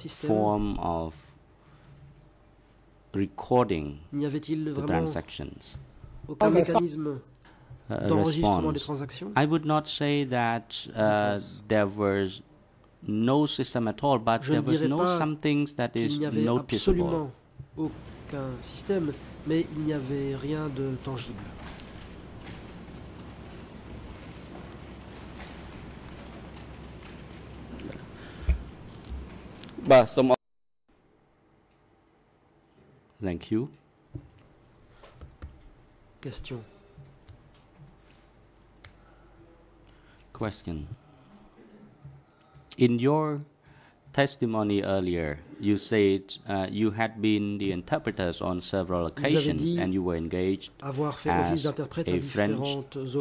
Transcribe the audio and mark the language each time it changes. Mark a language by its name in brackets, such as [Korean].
[English] form of recording [French] n'y avait-il [English] the transactions? [French] aucun mécanisme d'enregistrement des transactions. [English] I would not say that there was no system at all, but there was no something that is noticeable. [French] Absolument aucun système, mais il n'y avait rien de tangible. [English] Thank you. Question. Question. In your testimony earlier, you said you had been the interpreters on several occasions and you were engaged [French] avoir fait as office d'interprète à différentes occasions.